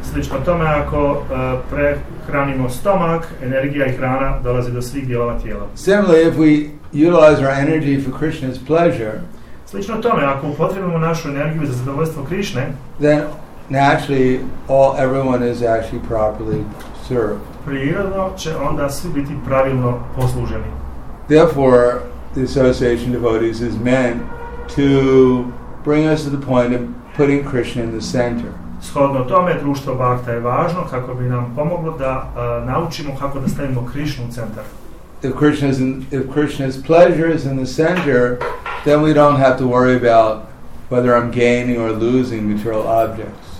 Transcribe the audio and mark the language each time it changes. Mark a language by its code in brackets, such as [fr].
[bs] Slično tome, ako prehranimo stomak, energija i hrana dolazi do svih dijelova tijela. [en] Similarly, if we utilize our energy for Krishna's pleasure, [bs] slično tome, ako upotrebimo našu energiju za zadovoljstvo Krishne, [en] then naturally everyone is actually properly served. [bs] Prirodno će onda svi biti pravilno posluženi. [en] Therefore, the association devotees is meant to bring us to the point of putting Krishna in the center. [bs] Shodno tome, društvo bhakta je važno kako bi nam pomoglo da naučimo kako da stavimo Krishnu u centar. [en] If Krishna's pleasure is in the center, then we don't have to worry about whether I'm gaining or losing material objects.